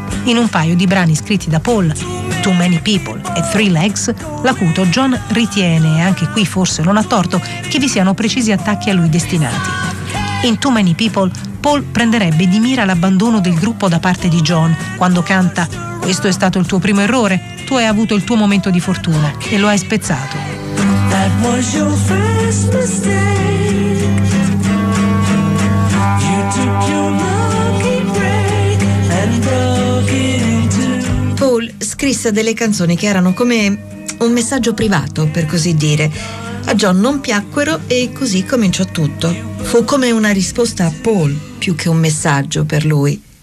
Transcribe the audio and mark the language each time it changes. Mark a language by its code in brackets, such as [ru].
[it] In un paio di brani scritti da Paul, Too Many People e Three Legs, l'acuto John ritiene, e anche qui forse non ha torto, che vi siano precisi attacchi a lui destinati. In Too Many People, Paul prenderebbe di mira l'abbandono del gruppo da parte di John quando canta «Questo è stato il tuo primo errore, tu hai avuto il tuo momento di fortuna e lo hai spezzato». [en] That was your first mistake. You took your lucky break and broke it into... [it] Paul scrisse delle canzoni che erano come un messaggio privato, per così dire. A John non piacquero e così cominciò tutto. Fu come una risposta a Paul, più che un messaggio per lui.